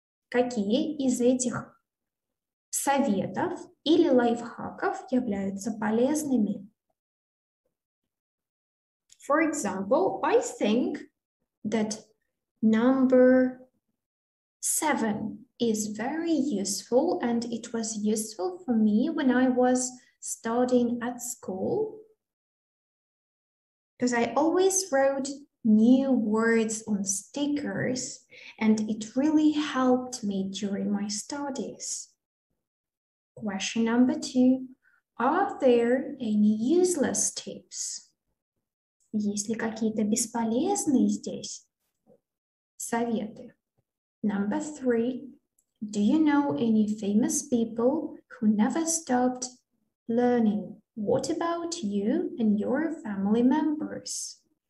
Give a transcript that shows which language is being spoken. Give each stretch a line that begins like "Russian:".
Russian: Какие из этих советов или лайфхаков являются полезными?
English: For example, I think that number 7 is very useful, and it was useful for me when I was studying at school. Because I always wrote new words on stickers, and it really helped me during my studies. Question number 2. Are there any useless tips?
Russian: Есть ли какие-то бесполезные здесь советы?
English: Number three. Do you know any famous people who never stopped learning? What about you and your family members?